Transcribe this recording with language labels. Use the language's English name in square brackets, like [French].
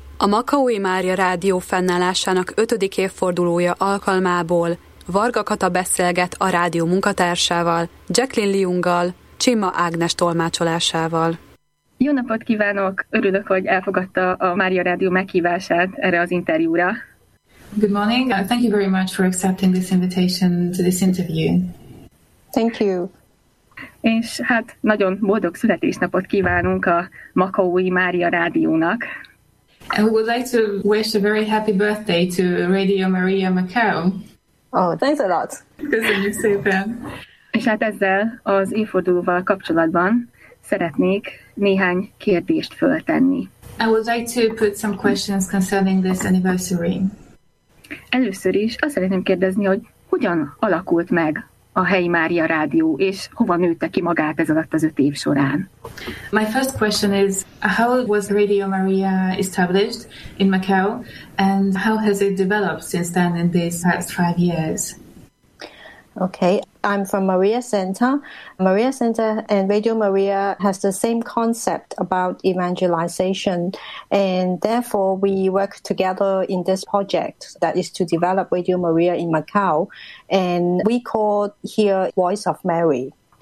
[Hungarian] A Makaói Mária Rádió fennállásának 5. évfordulója alkalmából Varga Kata beszélget a rádió munkatársával, Jacqueline Leunggal, Csima Ágnes tolmácsolásával. Jó napot kívánok! Örülök, hogy elfogadta a Mária Rádió meghívását erre az interjúra. [English] Good morning. Thank you very much for accepting this invitation to this interview. Thank you. [Hungarian] És hát nagyon boldog születésnapot kívánunk a Makaói Mária Rádiónak. [English] And we would like to wish a very happy birthday to Radio Maria Macau. Oh, thanks a lot. [Hungarian] Köszönjük szépen. És hát ezzel az évfordulóval kapcsolatban szeretnék néhány kérdést föltenni. [English] I would like to put some questions concerning this anniversary. [Hungarian] Először is azt szeretném kérdezni, hogy hogyan alakult meg a helyi Mária Rádió, és hova nőtte ki magát ez alatt az 5 év során? [English] My first question is, how was Radio Maria established in Macau, and how has it developed since then in these past 5 years? Okay, I'm from Maria Center. Maria Center and Radio Maria has the same concept about evangelization, and therefore we work together in this project that is to develop Radio Maria in Macau, and we call here Voice of Mary.